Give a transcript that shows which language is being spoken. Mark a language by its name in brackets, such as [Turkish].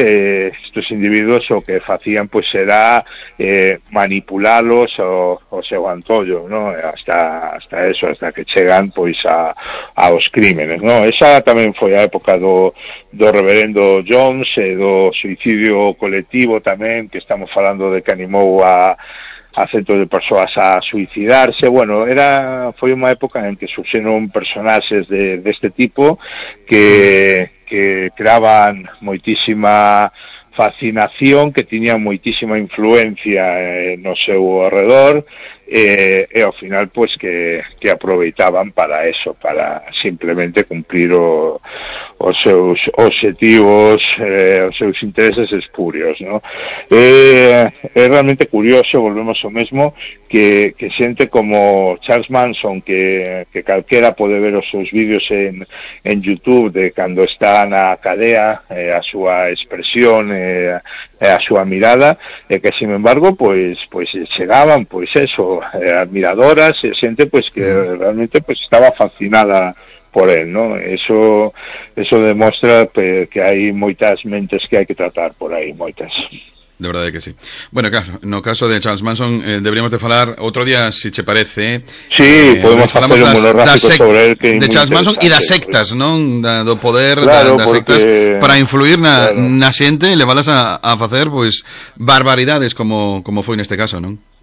[Spanish] Estos individuos o que hacían, pues, era manipularlos o se antollo, ¿no? Hasta eso, hasta que llegan, pues, a los crímenes, ¿no? Esa también fue la época do reverendo Jones, do suicidio colectivo también, que estamos hablando de que animó a centros de persoas a suicidarse. [Galician] Bueno, foi unha época en que surxeron personaxes deste tipo que creaban moitísima fascinación, que tiñan moitísima influencia no seu alrededor, e ao final, pois, que aproveitaban para eso, para simplemente cumplir os seus objetivos, os seus intereses espurios, ¿no? É realmente curioso, volvemos ao mesmo, que xente como Charles Manson, que calquera pode ver os seus vídeos en YouTube de cando está na cadea, a súa expresión, a súa mirada, que sin embargo, pois chegaban, pois, eso, admiradoras, xente, pois, que realmente, pois, estaba fascinada por él, ¿no? [Spanish] Eso demuestra que hay muchas mentes que hay que tratar por ahí, muchas. [Galician] De verdade que sí. Bueno, claro, no caso de Charles Manson, deberíamos de falar otro día, si che parece. Sí, podemos falar un monográfico sobre él, que de Charles Manson y das sectas, non? Do poder, claro, da sectas para influir na, claro, na xente e levalas a facer pues, barbaridades como, como foi neste caso, non?